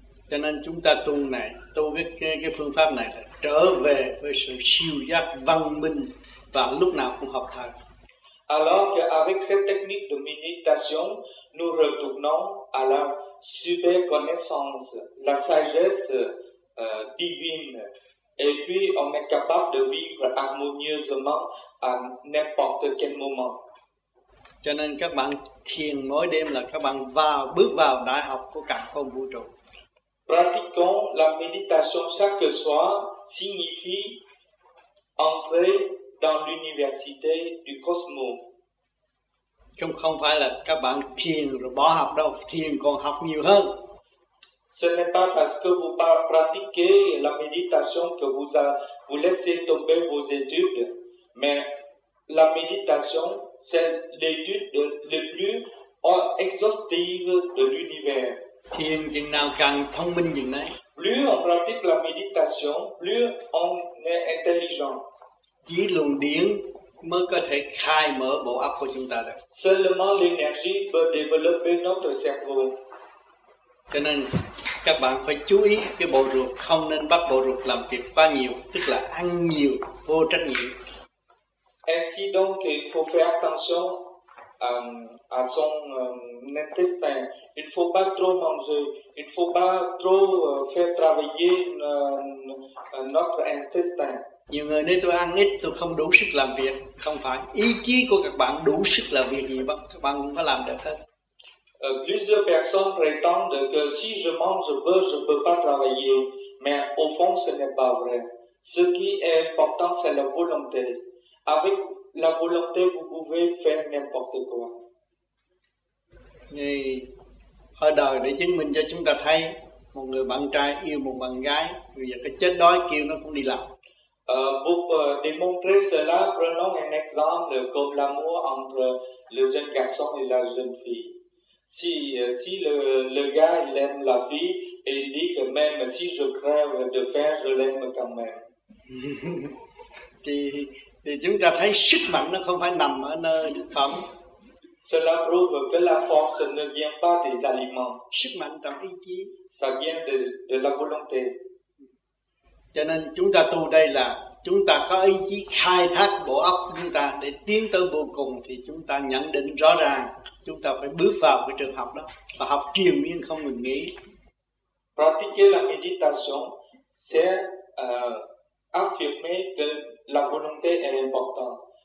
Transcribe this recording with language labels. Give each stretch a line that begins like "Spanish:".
Vietnamese: Cho nên chúng ta tu này, tu cái phương pháp này là trở về với sự siêu giác văn minh và lúc nào cũng học thật.
French: Alors que avec cette technique de méditation, nous retournons à la super connaissance, la sagesse divine, et puis on est capable de vivre harmonieusement à n'importe quel moment.
Vietnamese: Cho nên các bạn thiền mỗi đêm là các bạn bước vào đại học của cả không vũ trụ.
French: Pratiquons la méditation chaque soir signifie entrer dans l'université du cosmos.
Vietnamese: Chứ không phải là các bạn thiền rồi bỏ học đâu, thiền còn học nhiều hơn.
French: Ce n'est pas parce que vous pratiquez la méditation que vous laissez tomber vos études, mais la méditation c'est l'étude le plus exhaustive de l'univers.
Vietnamese: Thiền chừng nào càng thông minh chừng đấy.
French: Plus on pratique la méditation, plus on est intelligent.
Vietnamese: Chỉ luồng điển mới có thể khai mở bộ óc của chúng ta được.
French: Seulement l'énergie peut développer notre cerveau.
Vietnamese: Cho nên các bạn phải chú ý cái bộ ruột, không nên bắt bộ ruột làm việc quá nhiều, tức là ăn nhiều, vô trách nhiệm.
French: Ainsi donc, il faut faire attention à son intestin. Il ne faut pas trop manger. Il ne faut pas trop faire travailler notre intestin.
Vietnamese: Nhiều người nói tôi ăn ít, tôi không đủ sức làm việc. Không phải. Ý chí của các bạn đủ sức làm việc gì, các bạn cũng phải làm được hết.
French: Plusieurs personnes prétendent que si je mange peu, je ne peux pas travailler. Mais au fond, ce n'est pas vrai. Ce qui est important, c'est la volonté. Avec la volonté, vous pouvez faire n'importe quoi.
Vietnamese: Ngày ở đời để chứng minh cho chúng ta thấy một người bạn trai yêu một bạn gái, bây giờ cái chết đói kêu nó cũng đi làm.
French: Pour démontrer cela, prenons un exemple comme l'amour entre le jeune garçon et la jeune fille. Si le gars il aime la fille et il dit que même si je crève de faim, je l'aime quand même.
Vietnamese: Thì chúng ta thấy sức mạnh nó không phải nằm ở nơi thực phẩm.
French: Cela prouve que la force ne vient pas des aliments.
Vietnamese: Sức mạnh trong ý chí.
French: Ça vient de la volonté.
Vietnamese: Cho nên chúng ta tu đây là chúng ta có ý chí khai thác bộ óc chúng ta để tiến tới vô cùng, thì chúng ta nhận định rõ ràng chúng ta phải bước vào cái trường học đó và học triền miên không ngừng nghỉ.
French: Pratiquer la méditation, c'est affirmer que la volonté est importante.